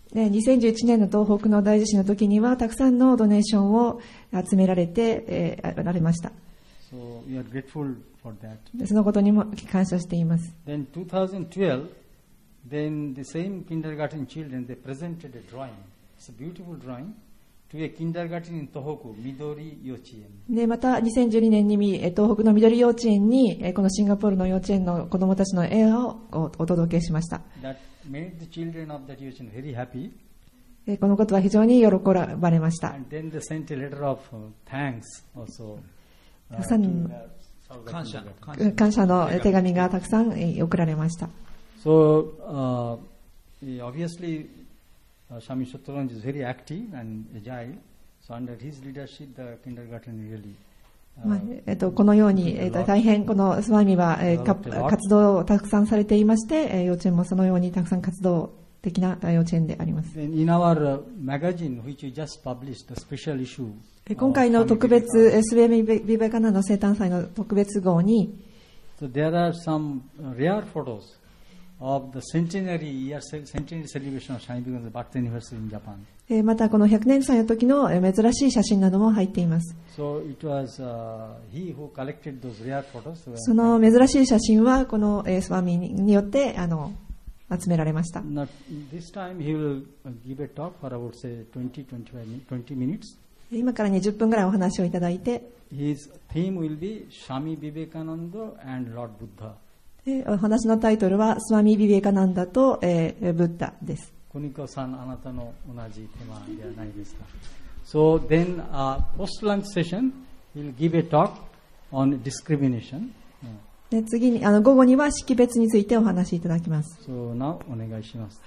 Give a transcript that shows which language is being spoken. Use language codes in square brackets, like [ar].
[ja] 2011年の東北の大地震の時にはたくさんのドネーションを集められて、られました。 [en] So we are grateful for that. [ja] そのことにも感謝しています。 [en] Then 2012, then the same kindergarten children they presented a drawing. It's a beautiful drawing. To a kindergarten in Tohoku, Midori Yochien. [ja] でまた2012年に東北の緑幼稚園にこのシンガポールの幼稚園の子どもたちの絵をお届けしました。 [en] That made the children of that 幼稚園 very happy. [ja] このことは非常に喜ばれました。 [en] And then they sent a letter of thanks also. [ja] たくさん感謝の手紙がたくさん送られました。 [en] So, obviously. Swami Shatranj is very active and agile. So under his leadership, the kindergarten really. [ja] このように大変このスワミは活動をたくさんされていまして、幼稚園もそのようにたくさん活動的な幼稚園であります。 [en] In our magazine, which we just published, a special issue. [ja] 今回の特別スワミビベカナの生誕祭の特別号に、 [en] So there are some rare photos. Of the centenary year centenary celebration of Swami Vivekananda's birth anniversary in Japan. [ja] またこの100年祭の時の珍しい写真なども入っています。 [en] So it was he who collected those rare photos. [ja] その珍しい写真はこのスワミによって集められました。 [en] Now, this time he will give a talk for about say 20 minutes. [ja] 今から20分ぐらいお話をいただいて。 [en] His theme will be Swami Vivekananda and Lord Buddha. [ja] お話のタイトルはスワミ・ビベカナンダと、ブッダです。コニコさん、あなたの同じテーマではないですか。 [en] So then, post-lunch session, he'll give a talk on discrimination. [ja] で次に午後には識別についてお話しいただきます。 [en] So now [ja] お願いします。